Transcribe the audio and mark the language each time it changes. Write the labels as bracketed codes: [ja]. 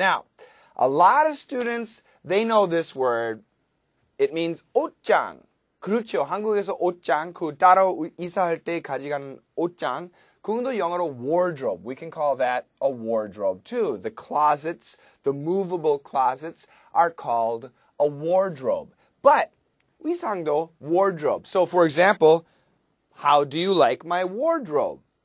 [en] Now, a lot of students, they know this word. It means 옷장. [ko] 그렇죠. 한국에서 옷장, 그 따로 이사할 때 가져가는 옷장. 그것도 영어로 [en] wardrobe. We can call that a wardrobe too. The closets, the movable closets are called a wardrobe. But 의상도 wardrobe. So, for example, how do you like my wardrobe?